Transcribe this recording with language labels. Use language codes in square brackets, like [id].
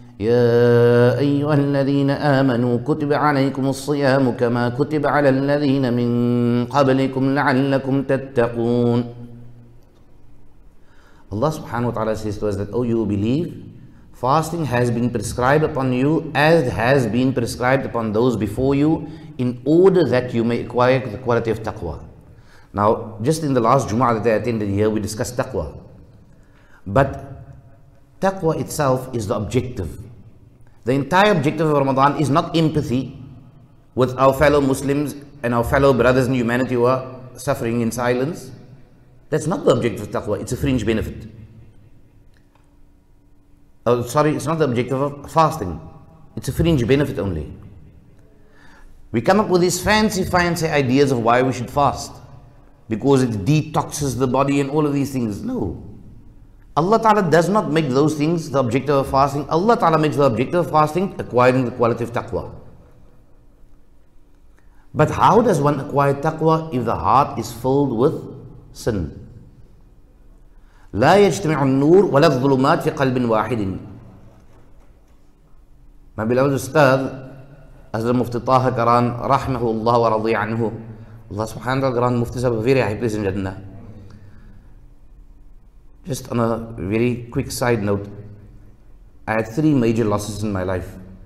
[ar] يا أيها الذين آمنوا كتب عليكم الصيام كما كتب على الذين من قبلكم لعلكم تتقون. [en] Allah subhanahu wa ta'ala says to us that, oh, you believe, fasting has been prescribed upon you as has been prescribed upon those before you in order that you may acquire the quality of taqwa. Now, just in the last Jumu'ah that I attended here, we discussed taqwa. But taqwa itself is the objective. The entire objective of Ramadan is not empathy with our fellow Muslims and our fellow brothers in humanity who are suffering in silence. That's not the objective of taqwa, it's a fringe benefit. It's not the objective of fasting, it's a fringe benefit only. We come up with these fancy ideas of why we should fast, because it detoxes the body and all of these things. No. Allah Ta'ala does not make those things the objective of fasting. Allah Ta'ala makes the objective of fasting acquiring the quality of taqwa. But how does one acquire taqwa if the heart is filled with sin? [ar] لا يجتمع النور ولا الظلمات في قلب واحد. [en] My beloved Ustaz, Hazrat Mufti Taha Karan, [ar] رحمه الله ورضي عنه. [en] Allah subhanahu wa ta'ala grant Mufti Sahib a very high place in Jannah. Just on a very quick side note, I had three major losses in my life.